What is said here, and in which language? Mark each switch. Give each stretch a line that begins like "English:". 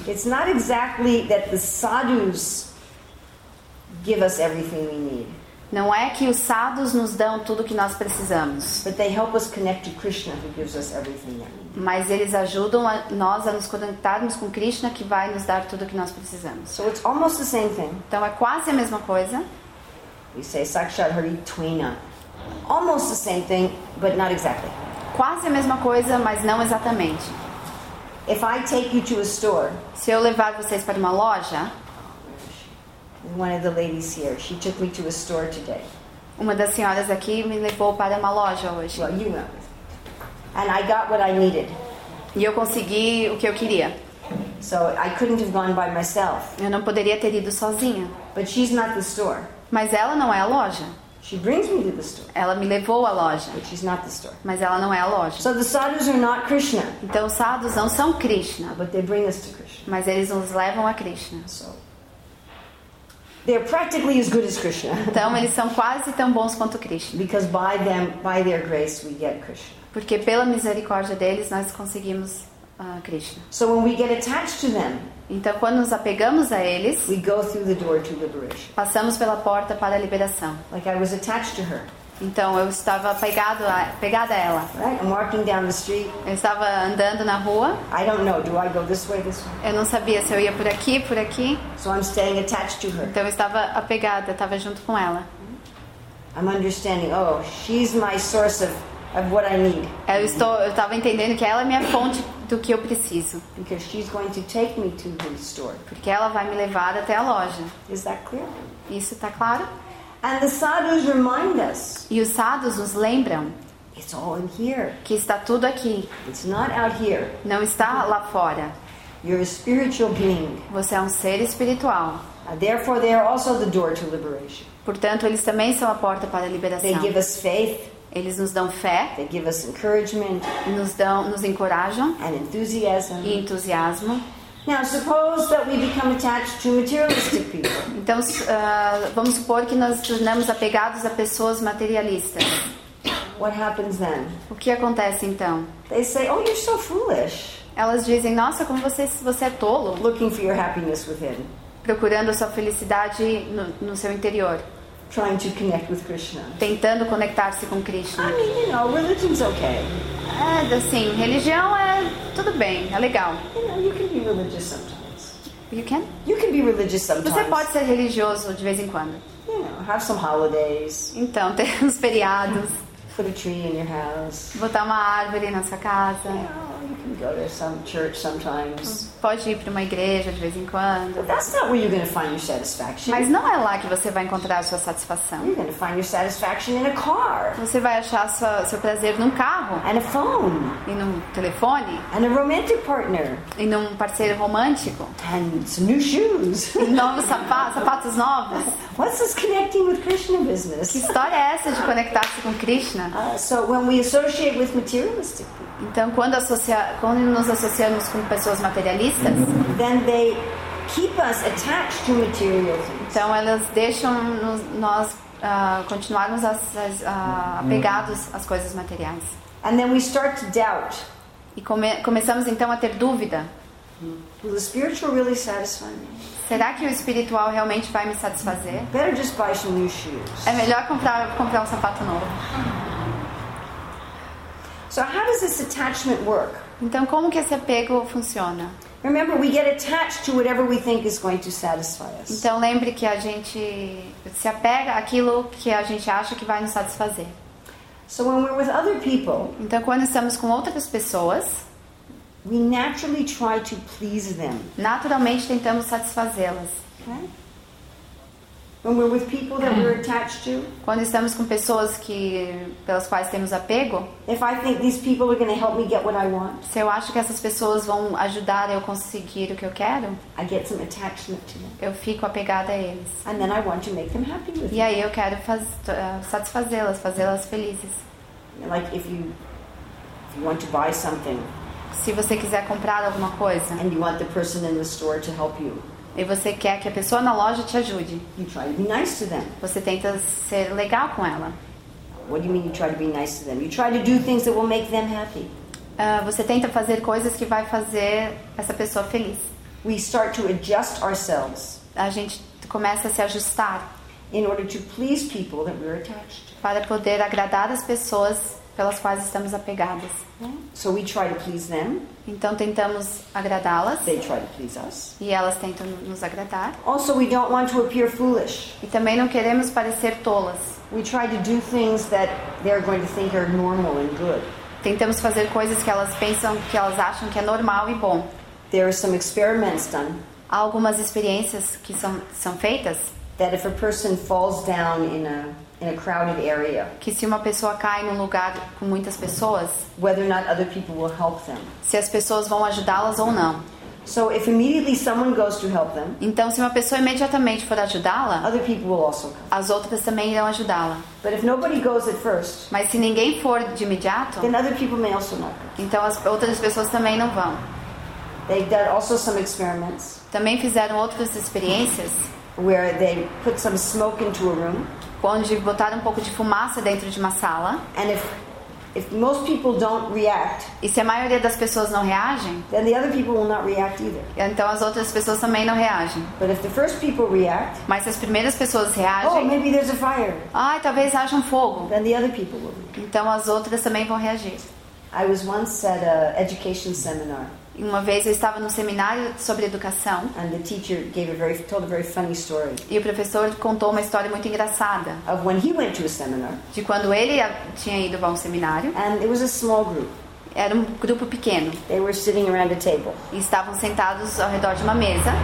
English: It's not exactly that the sadhus give us everything we need.
Portuguese: Não é que os sadhus nos dão tudo que nós precisamos.
English: But they help us connect to Krishna, who gives us everything we need.
Portuguese: Mas eles ajudam nós a nos conectarmos com Krishna, que vai nos dar tudo que nós precisamos.
English: So it's almost the same thing.
Portuguese: Então é quase a mesma coisa.
English: We say Sakshat Hari Twina. Almost the same thing, but not exactly.
Portuguese: Quase a mesma coisa, mas não exatamente.
English: If I take you to a store,
Portuguese: se eu levar vocês para uma loja,
English: one of the ladies here, she took me to a store today.
Portuguese: Uma das senhoras aqui me levou para uma loja hoje.
English: Well, you know. And I got what I needed.
Portuguese: E eu consegui o que eu queria.
English: So I couldn't have gone by myself.
Portuguese: Eu não poderia ter ido sozinha.
English: But she's not the store.
Portuguese: Mas ela não é a loja.
English: She brings me to the store.
Portuguese: Ela me levou à loja.
English: But she's not the store.
Portuguese: Mas ela não é a loja.
English: So the sadhus are not Krishna.
Portuguese: Então os sadhus não são Krishna.
English: But they bring us to Krishna.
Portuguese: Mas eles nos levam a Krishna.
English: So they're practically as good as Krishna.
Portuguese: Então eles são quase tão bons quanto Krishna.
English: Because by them, by their grace, we get Krishna.
Portuguese: Porque pela misericórdia deles nós conseguimos Krishna.
English: So when we get attached to them,
Portuguese: então quando nos apegamos a eles,
English: we go through the door to liberation.
Portuguese: Passamos pela porta para a liberação.
English: Like I was attached to her.
Portuguese: Então eu estava pegada a ela.
English: Right? I'm walking down the street.
Portuguese: Eu estava andando na rua.
English: I don't know. Do I go this way, this way?
Portuguese: Eu não sabia se eu ia por aqui.
English: So I'm staying attached to her.
Portuguese: Então eu estava apegada, estava junto com ela.
English: I'm understanding. Oh, she's my source of what I need.
Portuguese: Eu estava entendendo que ela é minha fonte do que eu preciso.
English: Because she's going to take me to the store.
Portuguese: Porque ela vai me levar até a loja.
English: Is that clear?
Portuguese: Isso está claro?
English: And the sadhus remind us.
Portuguese: E os sadhus nos lembram.
English: It's all in here.
Portuguese: Que está tudo aqui.
English: It's not out here.
Portuguese: Não está lá fora.
English: You're a spiritual being.
Portuguese: Você é um ser espiritual.
English: Therefore, they are also the door to liberation.
Portuguese: Portanto, eles também são a porta para a liberação.
English: They give us faith.
Portuguese: Eles nos dão fé.
English: They give us encouragement.
Portuguese: Nos encorajam.
English: And enthusiasm.
Portuguese: E entusiasmo.
English: Now suppose that we become attached to materialistic people.
Portuguese: Então, vamos supor que nós tornamos apegados a pessoas materialistas.
English: What happens then?
Portuguese: O que acontece então?
English: They say, "Oh, you're so foolish."
Portuguese: Elas dizem, "Nossa, como você é tolo."
English: Looking for your happiness within.
Portuguese: Procurando a sua felicidade no seu interior.
English: Trying to connect with Krishna.
Portuguese: Tentando conectar-se com Krishna.
English: I mean, you know, religion's okay.
Portuguese: Assim, religião é tudo bem, é legal.
English: You know, you can be religious sometimes. You can? You can be religious sometimes.
Portuguese: Você pode ser religioso de vez em quando.
English: You know, have some holidays.
Portuguese: Então, ter uns feriados.
English: Put a tree in your house.
Portuguese: Botar uma árvore na sua casa.
English: You know, you can go to some church sometimes.
Portuguese: Pode ir para uma igreja de vez em quando.
English: But that's not where you're going to find your satisfaction.
Portuguese: Mas não é lá que você vai encontrar a sua satisfação.
English: You're going to find your satisfaction in a car.
Portuguese: Você vai achar seu prazer num carro.
English: And a phone.
Portuguese: E num telefone.
English: And a romantic partner.
Portuguese: E num parceiro romântico.
English: And some new shoes.
Portuguese: E novos sapatos novos.
English: What's this connecting with Krishna business?
Portuguese: Que história é essa de conectar-se com Krishna?
English: So when we associate with materialistic people.
Portuguese: Então, quando nos associamos com pessoas materialistas,
English: then they keep us attached to material things.
Portuguese: Então, elas deixam nós continuarmos apegados às coisas materiais.
English: And then we start to doubt.
Portuguese: E começamos então a ter dúvida.
English: Will the spiritual really satisfy me?
Portuguese: Será que o espiritual realmente vai me satisfazer?
English: Better just buy some new shoes.
Portuguese: É melhor comprar um sapato novo.
English: So how does this attachment work?
Portuguese: Então como que esse apego funciona?
English: Remember, we get attached to whatever we think is going to satisfy us.
Portuguese: Então lembre que a gente se apega àquilo que a gente acha que vai nos satisfazer.
English: So when we're with other people,
Portuguese: então quando estamos com outras pessoas,
English: we naturally try to please them.
Portuguese: Naturalmente tentamos satisfazê-las.
English: Okay? When we're with people that we're attached to,
Portuguese: quando estamos com pessoas que pelas quais temos apego,
English: if I think these people are going to help me get what I want,
Portuguese: se eu acho que essas pessoas vão ajudar eu conseguir o que eu quero,
English: I get some attachment to them.
Portuguese: Eu fico apegada a eles.
English: And then I want to make them happy with
Portuguese: me. E aí eu quero satisfazê-las, fazê-las felizes.
English: Like if you want to buy something.
Portuguese: Se você quiser comprar alguma coisa,
English: and you want the person in the store to help you,
Portuguese: e você quer que a pessoa na loja te ajude,
English: you try to be nice to them.
Portuguese: Você tenta ser legal com ela.
English: What do you mean you try to be nice to them? You try to do things that will make them happy.
Portuguese: Você tenta fazer coisas que vai fazer essa pessoa feliz.
English: We start to adjust ourselves.
Portuguese: A gente começa a se ajustar.
English: In order to please people that we're attached to.
Portuguese: Para poder agradar as pessoas pelas quais estamos apegadas.
English: So we try to please them.
Portuguese: Então tentamos agradá-las.
English: They try to please us.
Portuguese: E elas tentam nos agradar.
English: Also, we don't want to appear foolish.
Portuguese: E também não queremos parecer tolas.
English: We try to do things that they're going to think are normal and good.
Portuguese: Tentamos fazer coisas que elas pensam, que elas acham que é normal e bom.
English: There are some experiments done.
Portuguese: Há algumas experiências que são feitas.
English: That if a person falls down in a crowded area.
Portuguese: Que se uma pessoa cai num lugar com muitas pessoas,
English: whether or not other people will help them.
Portuguese: Se as pessoas vão ajudá-las ou não.
English: So if immediately someone goes to help them.
Portuguese: Então se uma pessoa imediatamente for ajudá-la,
English: other people will also come.
Portuguese: As outras também irão ajudá-la.
English: But if nobody goes at first.
Portuguese: Mas se ninguém for de imediato,
English: then other people may also not.
Portuguese: Então as outras pessoas também não vão.
English: They did also some experiments.
Portuguese: Também fizeram outras experiências.
English: Where they put some smoke into a room.
Portuguese: Onde botaram um pouco de fumaça dentro de uma sala.
English: And if most people don't react,
Portuguese: e se a maioria das pessoas não reagem,
English: then the other people will not react either.
Portuguese: Então as outras pessoas também não reagem.
English: But if the first people react,
Portuguese: mas se as primeiras pessoas reagem,
English: oh, maybe there's a fire.
Portuguese: Ah, talvez haja um fogo.
English: Then the other people will react.
Portuguese: Então as outras também vão reagir.
English: I was once at an education seminar.
Portuguese: Uma vez eu estava num seminário sobre educação.
English: And the teacher gave told a very funny story.
Portuguese: E o professor contou uma história muito engraçada.
English: Of when he went to a seminar.
Portuguese: De quando ele tinha ido para um seminário.
English: And it was a small group.
Portuguese: Era um grupo pequeno.
English: They were sitting around a table.
Portuguese: E estavam sentados ao redor de uma mesa.